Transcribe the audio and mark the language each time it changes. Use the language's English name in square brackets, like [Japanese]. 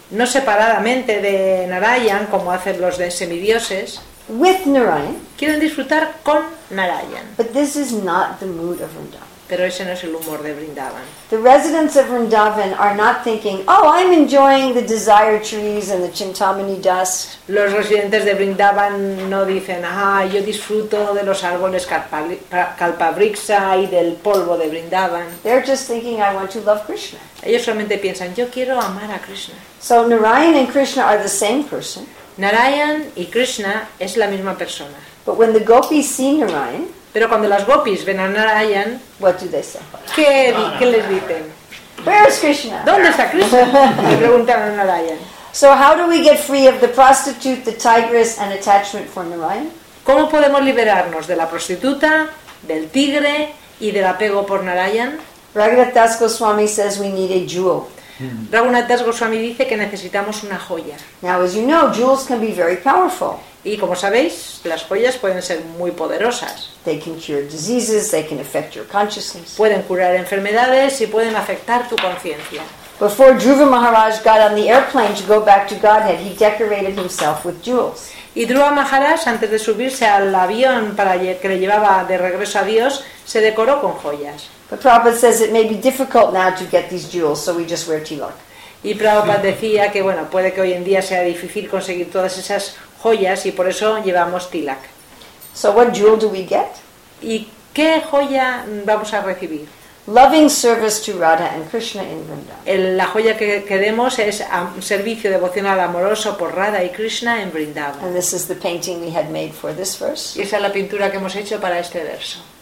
[Spanish] No separadamente de Narayan como hacen los de semidioses. [English] With Narayan. [Spanish] Quieren disfrutar con Narayan. [English] But this is not the mood of Vrindavan. [Spanish] Pero ese no es el humor de Vrindavan. [English] The residents of Vrindavan are not thinking, oh, I'm enjoying the desire trees and the Chintamani dust. [Spanish] Los residentes de Vrindavan no dicen, ah, yo disfruto de los árboles Kalpavriksha y del polvo de Vrindavan. [English] They're just thinking, I want to love Krishna. [Spanish] Ellos solamente piensan, yo quiero amar a Krishna. [English] So Narayan and Krishna are the same person. [Spanish] Narayan y Krishna es la misma persona. [English] But when the gopis see Narayan, [Spanish] pero cuando las gopis ven a Narayan, [English] what do they say? [Spanish] ¿Qué les dicen? [English] Where is Krishna? [Spanish] ¿Dónde está Krishna? Le preguntan a Narayan. [English] So how do we get free of the prostitute, the tigress, and attachment for Narayan? [Spanish] ¿Cómo podemos liberarnos de la prostituta, del tigre y del apego por Narayan? [English] Raghunath Das Goswami says we need a jewel. [Spanish] Raghunath Das Goswami dice que necesitamos una joya. [English] Now, as you know, jewels can be very powerful. [Spanish] Y como sabéis, las joyas pueden ser muy poderosas. [English] They can cure diseases, they can affect your consciousness. [Spanish] Pueden curar enfermedades y pueden afectar tu conciencia. [English] Before Dhruva Maharaj got on the airplane to go back to Godhead, he decorated himself with jewels. [Spanish] Y Dhruva Maharaj, antes de subirse al avión para que le llevaba de regreso a Dios, se decoró con joyas. [English] But Prabhupada says it may be difficult now to get these jewels, so we just wear tilak. [Spanish] Y Prabhupada decía que bueno, puede que hoy en día sea difícil conseguir todas esas joyas y por eso llevamos tilak. [English] So what jewel do we get? [Spanish] ¿Y qué joya vamos a recibir? [English] Loving service to Radha and Krishna in Vrindavan. [Spanish] La joya que queremos es servicio devocional amoroso por Radha y Krishna en Vrindavan. [English] And this is the painting we had made for this verse. [Spanish] Y esa es la pintura que hemos hecho para este verso.